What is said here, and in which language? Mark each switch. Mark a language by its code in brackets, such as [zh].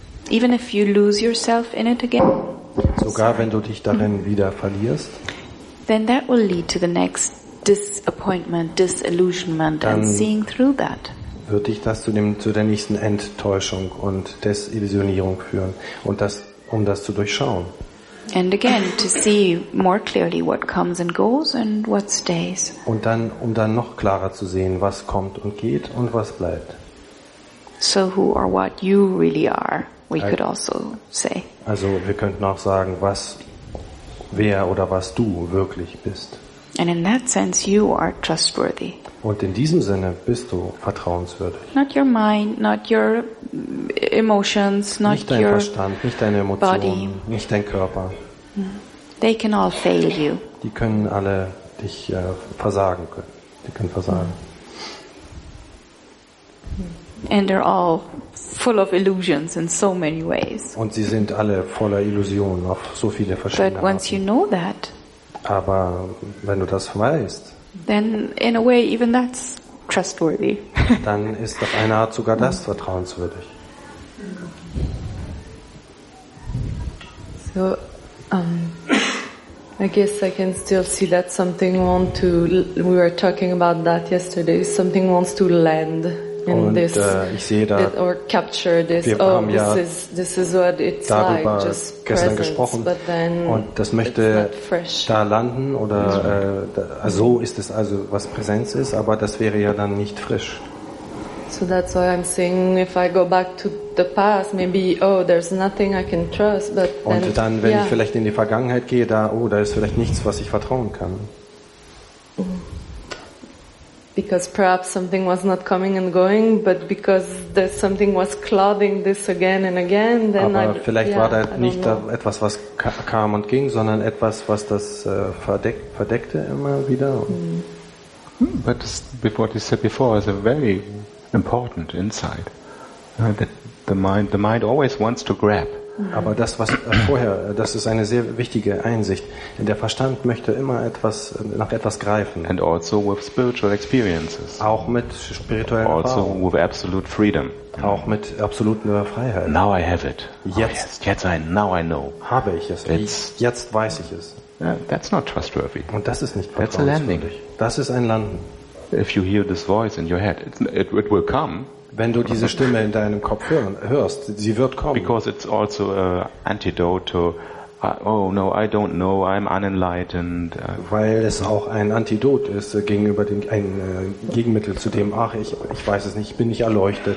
[en] Even if you lose yourself in it again. [de] Sogar wenn du dich darin wieder verlierst, [en] then that will lead to the next disappointment, disillusionment and seeing through that. [de] Wird dich das zu der nächsten Enttäuschung und Desillusionierung führen und das um das zu durchschauen. [en] And again to see more clearly what comes and goes and what stays. [de] Und dann um dann noch klarer zu sehen, was kommt und geht und was bleibt. [en] So who or what you really are. We could also say. [de] Also, wir könnten auch sagen, was, wer oder was du wirklich bist. [en] And in that sense, you are trustworthy. [de] Und in diesem Sinne bist du vertrauenswürdig. [en] Not your mind, not your emotions, not [de] nicht dein [en] your [de] Verstand, nicht deine Emotionen, [en] body. [de] Nicht dein Körper. [en] They can all fail you. [de] Die können alle dich versagen können. Die können versagen. [en] And they're all full of illusions in so many ways. [de] Und sie sind alle voller Illusionen auf so viele verschiedene Arten. [en] But once you know that, [de] aber wenn du das weißt, [en] then in a way even that's trustworthy. [de] Dann ist auf eine Art sogar das vertrauenswürdig. [en] So So, I guess I can still see that something wants to. We were talking about that yesterday. Something wants to land in [de] und, [en] this, [de] ich sehe da, [en] or capture this. [de] Wir oh, ja [en] this is what it's like. Just [de] gestern [en] presence, but then [de] und das möchte da landen oder so ist es also, was Präsenz ist, aber das wäre ja dann nicht frisch. [en] So that's why I'm saying if I go back to the past, maybe, oh, there's nothing I can trust. But then, [de] und dann, wenn ich vielleicht in die Vergangenheit gehe, da, oh, da ist vielleicht nichts, was ich vertrauen kann. [en] Because perhaps something was not coming and going, but because there's something was clouding this again and again, then [de] aber [en] I, [de] vielleicht [en] yeah, [de] war da nicht da etwas, was kam und ging, sondern etwas, was das verdeckte immer wieder. Mm. [en] But this, what you said before is a very important insight. The mind always wants to grab. [de] Aber das, was vorher, das ist eine sehr wichtige Einsicht. Der Verstand möchte immer etwas, nach etwas greifen. [en] And also with spiritual experiences. [de] Auch mit spirituellen Erfahrungen. [en] Also with absolute freedom. [de] Auch mit absoluter Freiheit. [en] Now I have it. [de] Jetzt. [en] Oh, yes. Now I know. [de] Habe ich es. Jetzt weiß ich es. [en] That's not trustworthy. [de] Und das ist nicht vertrauenswürdig. [en] That's a landing. [de] Das ist ein Landen. [en] If you hear this voice in your head, it will come. [de] Wenn du diese Stimme in deinem Kopf hörst, sie wird kommen. [en] Because it's also an antidote to, oh no, I don't know, I'm unenlightened. [de] Weil es auch ein Antidot ist gegenüber dem ein Gegenmittel zu dem, ach, ich weiß es nicht, ich bin nicht erleuchtet.